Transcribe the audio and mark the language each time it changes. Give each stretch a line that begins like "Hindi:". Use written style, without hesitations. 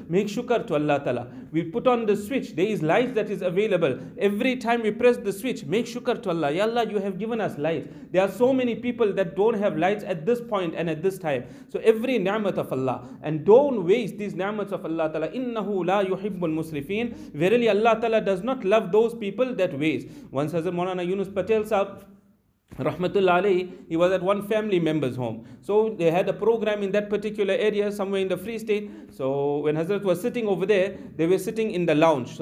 English: Make shukr to Allah Ta'ala. We put on the switch, there is light that is available. Every time we press the switch, make shukr to Allah. Ya Allah, you have given us light. There are so many people that don't have lights at this point and at this time. So every ni'mat of Allah, and don't waste these ni'mats of Allah Ta'ala.
Arabic: Inna لا يحب المسرفين.
English: Verily Allah Ta'ala does not love those people that waste. Once Hazrat Maulana Yunus Patel Sahab Rahmatullah Alayhi, he was at one family member's home. So they had a program in that particular area, somewhere in the Free State. So when Hazrat was sitting over there, they were sitting in the lounge.